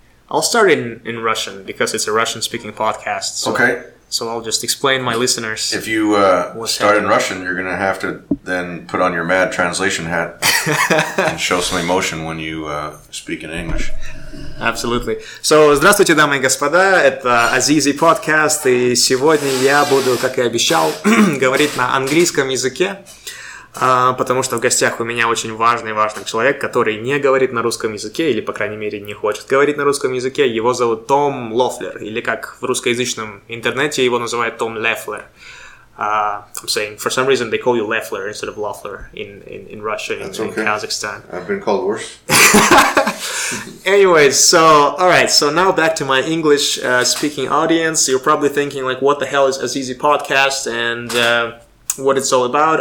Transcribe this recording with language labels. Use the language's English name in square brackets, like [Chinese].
[English] I'll start in Russian because it's a Russian-speaking podcast. So, okay. So I'll just explain my listeners. If you start in Russian, you're going to have to then put on your mad translation hat and show some emotion when you speak in English. Absolutely. [Russian] So, здравствуйте, дамы и господа. Это Азизи подкаст. И сегодня я буду, как и обещал, говорить на английском языке. Потому что в гостях у меня очень важный человек, который не говорит на русском языке, или, по крайней мере, не хочет говорить на русском языке. Его зовут Том Лофлер, или как в русскоязычном интернете его называют Том Лефлер. [English] I'm saying, for some reason, they call you Lefler instead of Lofler in Russia, in Kazakhstan. I've been called worse. Anyways, so, alright, so now back to my English speaking audience. You're probably thinking, like, what the hell is Azizi Podcast, and... what it's all about.